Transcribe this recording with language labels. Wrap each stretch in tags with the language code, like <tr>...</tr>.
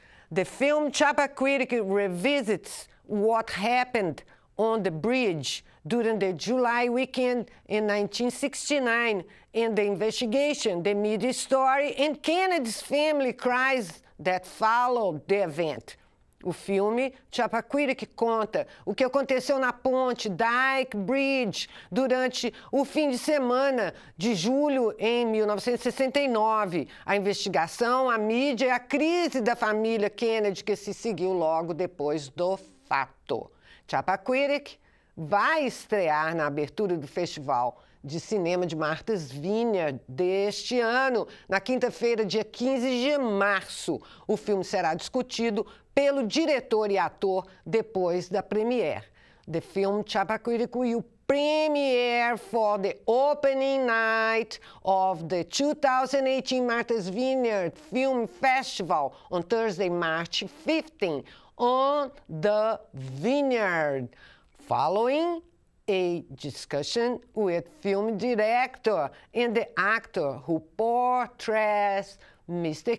<en>The film Chappaquiddick revisits what happened on the bridge during the July weekend in 1969 in the investigation, the media story, and Kennedy's family cries that followed the event.</en> <pt>O filme Chappaquiddick que conta o que aconteceu na ponte Dyke Bridge durante o fim de semana de julho em 1969. A investigação, a mídia e a crise da família Kennedy que se seguiu logo depois do fato. Chappaquiddick vai estrear na abertura do Festival de Cinema de Martha's Vineyard deste ano, na quinta-feira, dia 15 de março. O filme será discutido pelo diretor e ator depois da premiere.</pt> <en>The film Chappaquiddick will premiere for the opening night of the 2018 Martha's Vineyard Film Festival on Thursday, March 15, on the Vineyard, following a discussion with film director and the actor who portrays Mr.</en>